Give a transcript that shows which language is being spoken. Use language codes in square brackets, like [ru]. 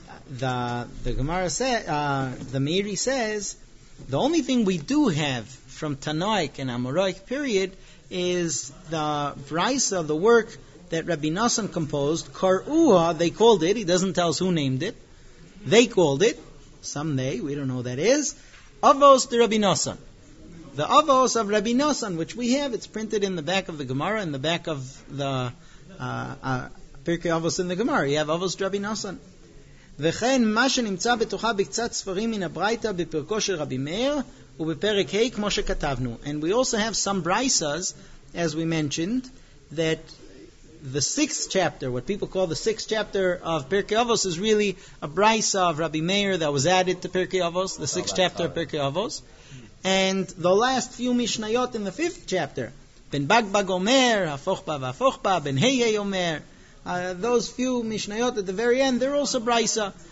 [en] The Gemara says, the Meiri says, the only thing we do have from Tanaic and Amoraic period is the Braisa, the work that Rabbi Nosson composed, Kar'uha, they called it, he doesn't tell us who named it, they called it, someday, we don't know who that is, Avos de Rabbi Nosson. The Avos of Rabbi Nosson, which we have, it's printed in the back of the Gemara, in the back of the Pirkei Avos in the Gemara, you have Avos de Rabbi Nosson. [he] וכן מה שנמצא בתוכה בקצת ספרים מן הברייתא בפרקו של רבי מאיר ובפרק ה' כמו שכתבנו. [en] And we also have some braisas, as we mentioned, that the sixth chapter, what people call the sixth chapter of Pirkei Avos, is really a braisa of Rabbi Meir that was added to Pirkei Avos, the sixth chapter of Pirkei Avos. And the last few mishnayot in the fifth chapter, [he] ben Bagbag Omer, Hafochba Vafochba, [en] ben Heyei Omer, those few Mishnayot at the very end, they're also Braisa.